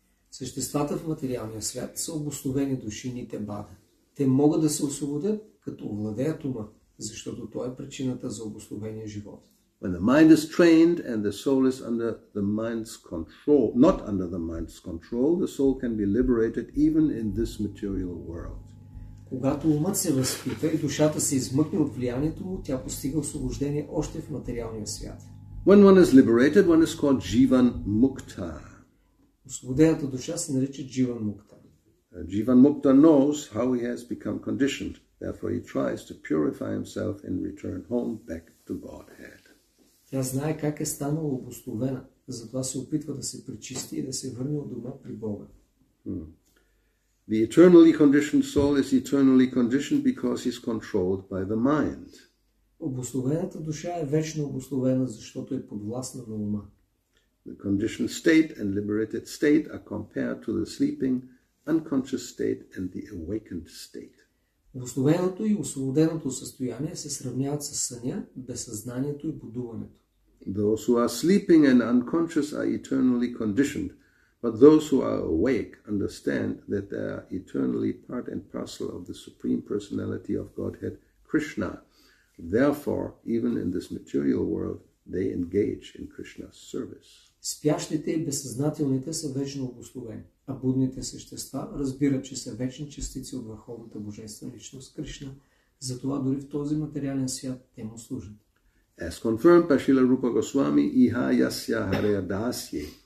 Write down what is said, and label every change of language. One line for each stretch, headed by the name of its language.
Bulgarian: Съществата в материалния свят са обусловени души, nityabada. Те могат да се освободят, като овладеят ума, защото той е причината за обусловения живот.
English: When the mind is trained and the soul is under the mind's control, not under the mind's control, the soul can be liberated even in this material world.
Bulgarian: Когато умът се възпита и душата се измъкне от влиянието му, тя постига освобождение още в материалния свят.
English: When one is liberated, one is called Jivan Mukta.
Bulgarian: Освободената душа се нарича Jivan Mukta.
English: Jivan Mukta knows how he has become conditioned, therefore he tries to purify himself and return home back to Godhead.
Bulgarian: Тя знае как е станала обусловена, затова се опитва да се пречисти и да се върне от дома при Бога.
English: The eternally conditioned soul is eternally conditioned because he's controlled by the mind.
Bulgarian: Обусловената душа е вечно обусловена, защото е подвластна на ума.
English: The conditioned state and liberated state are compared to the sleeping unconscious state and the awakened state.
Bulgarian: Обусловеното и освободеното състояние се сравняват със съня, безсъзнанието и будуването.
English: Those who are sleeping and unconscious are eternally conditioned, but those who are awake understand that they are eternally part and parcel of the Supreme Personality of Godhead, Krishna. Therefore, even in this material world, they engage in Krishna's service.
Bulgarian: Спящите и безсъзнателните са вечно обусловени, а будните същества разбират, че са вечни частици от върховната божествена личност Кришна, затова дори в този материален свят те му служат.
English: As confirmed by Srila Rupa Goswami,
Sanskrit: iha yasya hareya dasye.